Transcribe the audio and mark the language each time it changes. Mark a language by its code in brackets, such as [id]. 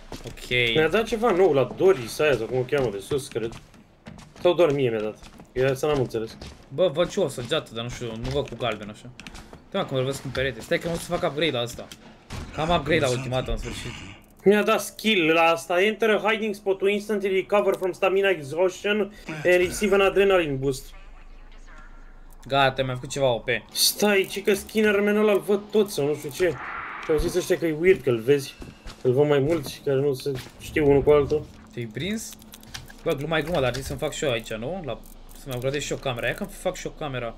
[ro] Ok. Mi-a dat ceva nou la Doris aia, sau cum o cheamă, de sus, cred. Sau doar mie mi-a dat. Eu să n-am înțeles. Bă, văd ce o săgeată, dar nu știu, nu văd cu galben așa. Uite-mă cum îl văd în perete. Stai că nu o să fac upgrade la asta. Cam upgrade la ultimata, în sfârșit. Mi-a dat skill la asta. [en] Enter a hiding spot to instantly recover from stamina exhaustion and receive an adrenaline boost. [ro] Gata, mi-a făcut ceva OP. Stai, ce că skinner menul ăla îl văd tot sau nu știu ce. Au zis ăștia că e weird că îl vezi. Îl văd mai mulți și care nu se știu unul cu altul. Te-ai prins? Bă, gluma e gluma, dar trebuie să-mi fac și eu aici, nu? La... Să-mi upgradez și eu camera, ia că-mi fac și eu camera.